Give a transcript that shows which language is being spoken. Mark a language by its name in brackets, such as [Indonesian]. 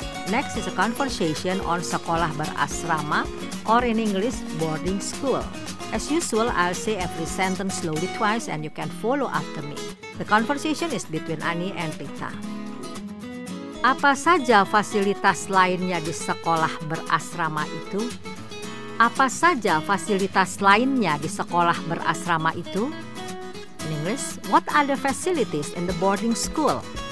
[English] Next is a conversation on sekolah berasrama, or in English, boarding school. As usual, I'll say every sentence slowly twice and you can follow after me. The conversation is between Ani and Pita. [Indonesian] Apa saja fasilitas lainnya di sekolah berasrama itu? Apa saja fasilitas lainnya di sekolah berasrama itu? [English] In English, what are the facilities in the boarding school?